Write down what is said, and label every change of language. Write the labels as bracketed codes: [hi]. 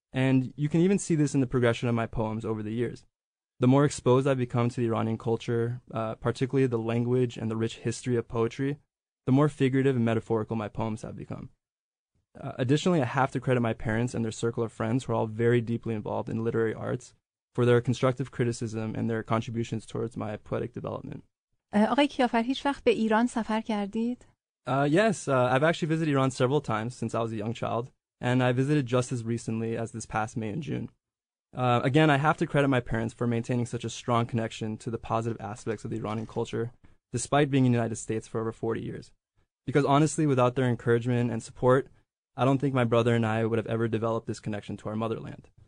[en] And you can even see this in the progression of my poems over the years. The more exposed I've become to the Iranian culture, particularly the language and the rich history of poetry, the more figurative and metaphorical my poems have become. Additionally, I have to credit my parents and their circle of friends, who are all very deeply involved in literary arts, for their constructive criticism and their contributions towards my poetic development. [fa] آقای کیافر، هیچ وقت به ایران سفر کردید؟ [en] I've actually visited Iran several times since I was a young child. And I visited just as recently as this past May and June. Again, I have to credit my parents for maintaining such a strong connection to the positive aspects of the Iranian culture, despite being in the United States for over 40 years. Because honestly, without their encouragement and support, I don't think my brother and I would have ever developed this connection to our motherland.